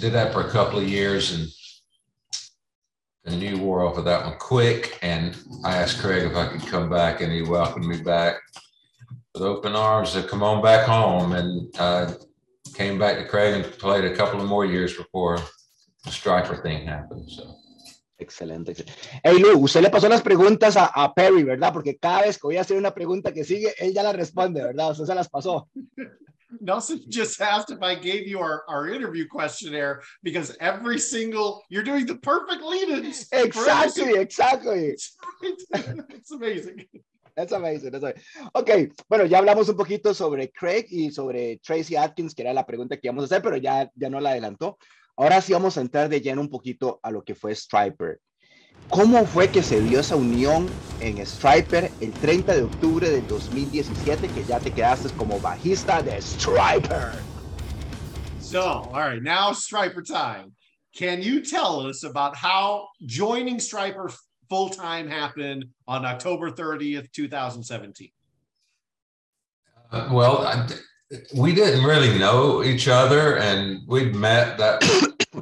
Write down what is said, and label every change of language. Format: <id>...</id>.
<en>Did that for a couple of years, and the new wore off of that one quick. And I asked Craig if I could come back, and he welcomed me back with open arms to come on back home. And I came back to Craig and played a couple of more years before the Stryper thing happened. So.</en> <es>Excelente. Hey, Lu, usted le pasó las preguntas a Perry, ¿verdad? Porque cada vez que voy a hacer una pregunta que sigue, él ya la responde, ¿verdad? Usted se las pasó.</es> <en>Nelson just asked if I gave you our interview questionnaire, because every single, you're doing the perfect lead-ins. Exactly, exactly. It's amazing. That's amazing, that's amazing.</en> <es>Ok, bueno, ya hablamos un poquito sobre Craig y sobre Tracy Adkins, que era la pregunta que íbamos a hacer, pero ya no la adelantó. Ahora sí vamos a entrar de lleno un poquito a lo que fue Stryper. ¿Cómo fue que se dio esa unión en Stryper el 30 de octubre del 2017, que ya te quedaste como bajista de Stryper?</es> <en>So, all right, now Stryper time. Can you tell us about how joining Stryper full-time happened on October 30th, 2017? Well, we didn't really know each other, and we'd met that...</en>